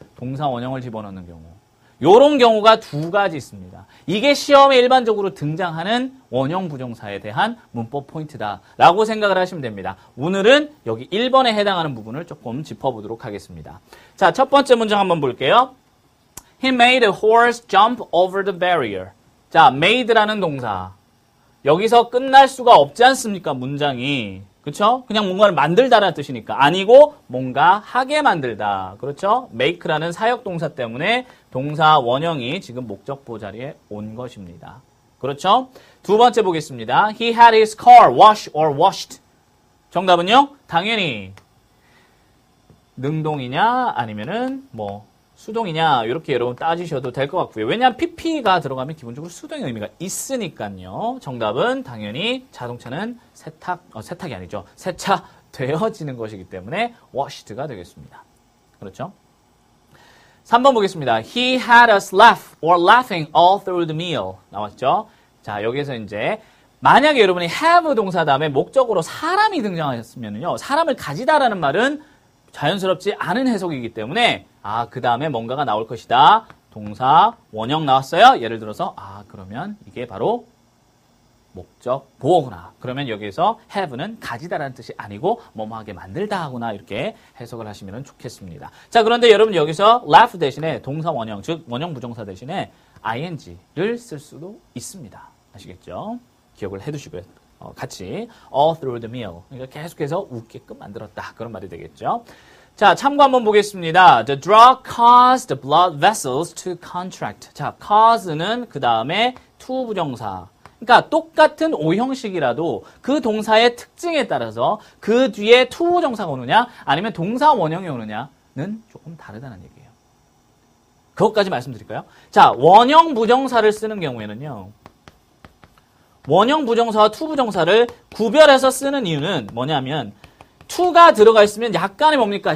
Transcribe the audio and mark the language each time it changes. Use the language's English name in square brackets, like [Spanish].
[Korean] 동사 원형을 집어넣는 경우. 이런 경우가 두 가지 있습니다. 이게 시험에 일반적으로 등장하는 원형 부정사에 대한 문법 포인트다라고 생각을 하시면 됩니다. 오늘은 여기 1번에 해당하는 부분을 조금 짚어보도록 하겠습니다. 자, 첫 번째 문장 한번 볼게요. [English] He made a horse jump over the barrier. [Korean] 자, made라는 동사. 여기서 끝날 수가 없지 않습니까, 문장이. 그렇죠? 그냥 뭔가를 만들다라는 뜻이니까. 아니고 뭔가 하게 만들다. 그렇죠? make라는 사역동사 때문에 동사 원형이 지금 목적보 자리에 온 것입니다. 그렇죠? 두 번째 보겠습니다. [English] He had his car washed or washed. [Korean] 정답은요? 당연히 능동이냐 아니면은 뭐 수동이냐 이렇게 여러분 따지셔도 될 것 같고요. 왜냐하면 PP가 들어가면 기본적으로 수동의 의미가 있으니까요. 정답은 당연히 자동차는 세탁이 아니죠. 세차되어지는 것이기 때문에 washed가 되겠습니다. 그렇죠? 3번 보겠습니다. [English] He had us laugh or laughing all through the meal. [Korean] 나왔죠? 자, 여기에서 이제 만약에 여러분이 have 동사 다음에 목적으로 사람이 등장하셨으면요. 사람을 가지다라는 말은 자연스럽지 않은 해석이기 때문에 아, 그 다음에 뭔가가 나올 것이다. 동사 원형 나왔어요. 예를 들어서 아, 그러면 이게 바로 목적 보어구나. 그러면 여기에서 have는 가지다라는 뜻이 아니고 뭐뭐하게 만들다 하구나 이렇게 해석을 하시면 좋겠습니다. 자, 그런데 여러분 여기서 laugh 대신에 동사 원형, 즉 원형 부정사 대신에 ing를 쓸 수도 있습니다. 아시겠죠? 기억을 해두시고요. [English] 같이 all through the meal. [Korean] 그러니까 계속해서 웃게끔 만들었다. 그런 말이 되겠죠? 자, 참고 한번 보겠습니다. [English] The drug caused blood vessels to contract. [Korean] 자, cause는 그 다음에 to 부정사. 그러니까 똑같은 오형식이라도 그 동사의 특징에 따라서 그 뒤에 to 부정사가 오느냐 아니면 동사 원형이 오느냐는 조금 다르다는 얘기예요. 그것까지 말씀드릴까요? 자, 원형 부정사를 쓰는 경우에는요. 원형 부정사와 to 부정사를 구별해서 쓰는 이유는 뭐냐면 to가 들어가 있으면 약간의 뭡니까?